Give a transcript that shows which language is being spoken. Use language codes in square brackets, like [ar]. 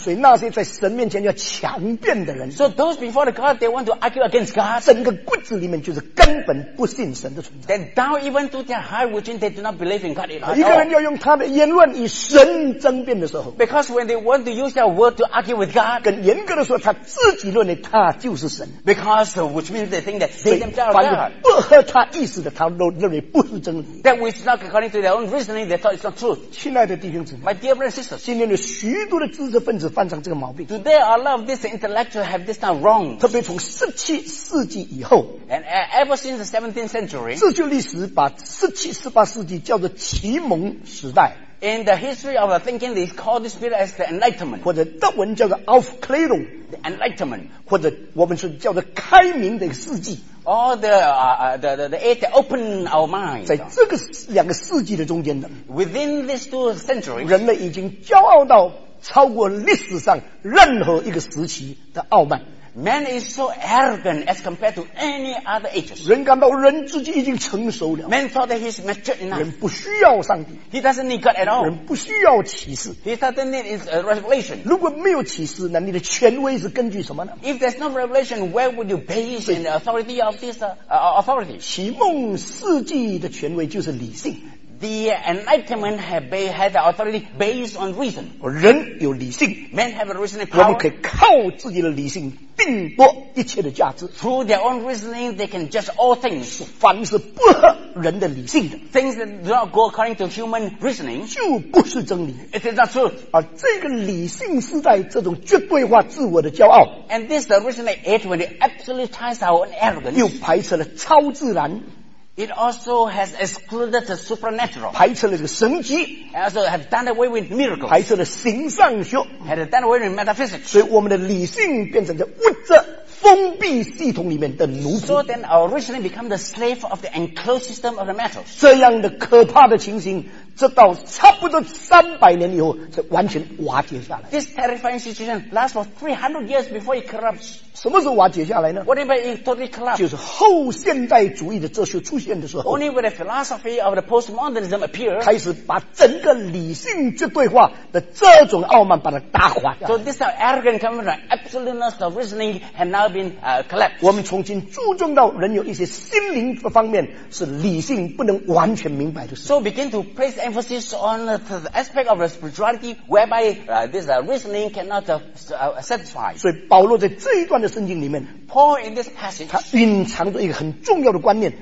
[zh] 所以那些在神面前要强辩的人， [en] So those before the God, they want to argue against God, [zh] 整个骨子里面就是根本不信神的存在。 [en] Then down even to their heart, which means they do not believe in God at all. [zh] 一个人要用他的言论与神争辩的时候， [en] Because when they want to use their word to argue with God, [zh] 更严格的说他自己认为他就是神。 [en] Because which means they think that they themselves are God. [zh] 不合他意思的他都认为不是真理。 [en] That which is not according to their own reasoning, they thought it's not true. [zh] 亲爱的弟兄姊妹， [en] My dear brothers and sisters, [zh] 今天的许多的知识分子犯上这个毛病。 [en] Do there a lot of this intellectual have this kind of wrong? [zh] 特别从十七世纪以后。 [en] And ever since the 17th century. [zh] 自救历史把十七、十八世纪叫做启蒙时代。 [en] In the history of thinking, they call this period as the Enlightenment. [zh] 或者德文叫做 Aufklärung. [en] The Enlightenment. [zh] 或者我们说叫做开明的世纪。 [en] All the age that opened our minds. [zh] 在这个两个世纪的中间的。 [en] Within these two centuries. [zh] 人类已经骄傲到超过历史上任何一个时期的傲慢。 [en] Man is so arrogant as compared to any other ages. [zh] 人感到人自己已经成熟了。 [en] Man thought that he is matured enough. [zh] 人不需要上帝。 [en] He doesn't need God at all. [zh] 人不需要启示。 [en] He doesn't need his revelation. [zh] 如果没有启示，那你的权威是根据什么呢？ [en] If there's no revelation, where would you base in the authority of this authority? [zh] 启蒙世纪的权威就是理性。 [en] The Enlightenment had the authority based on reason. [zh] 人有理性。 [en] Men have a reasoning power. [zh] 我们可以靠自己的理性定夺一切的价值。 [en] Through their own reasoning, they can judge all things. [zh] 凡是不合人的理性的。 [en] Things that do not go according to human reasoning. [zh] 就不是真理。 [en] It is not truth. [zh] 而这个理性时代这种绝对化自我的骄傲。 [en] And this the reasoning age when it absolutizes our own arrogance. [zh] 又排斥了超自然。 [en] It also has excluded the supernatural. [zh] 排斥了这个神迹。 [en] And also has done away with miracles. [zh] 排斥了形上学。 [en] Has done away with metaphysics. [zh] 所以我们的理性变成在物质封闭系统里面的奴仆。 [en] So then our reasoning becomes the slave of the enclosed system of the metals. [zh] 这样的可怕的情形，直到差不多300年以后才完全瓦解下来。 [en] This terrifying situation lasts for 300 years before it corrupts. [zh] 什么时候瓦解下来呢？ [en] What about it totally collapsed? [zh] 就是后现代主义的哲学出现的时候。 [en] Only when the philosophy of the postmodernism appears. [zh] 开始把整个理性绝对化的这种傲慢把它打垮下来。 [en] So this arrogant coming from absoluteness of reasoning has now been collapsed. [zh] 我们重新注重到人有一些心灵方面是理性不能完全明白的事。 [en] So begin to place emphasis on the aspect of the spirituality whereby this reasoning cannot satisfy. [zh] 所以保罗在这一段的圣经里面， [en] Paul in this passage, [zh] 他蕴藏着一个很重要的观念，